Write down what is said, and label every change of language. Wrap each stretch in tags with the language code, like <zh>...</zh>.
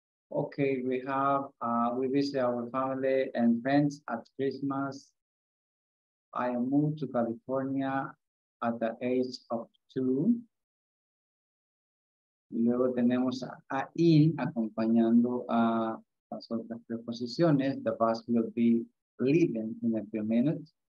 <en>Okay, we have, we visit our family and friends at Christmas. I moved to California at the age of 2.</en> <es>Y luego tenemos a in acompañando a las otras preposiciones.</es> <en>The bus will be leaving in a few minutes.</en>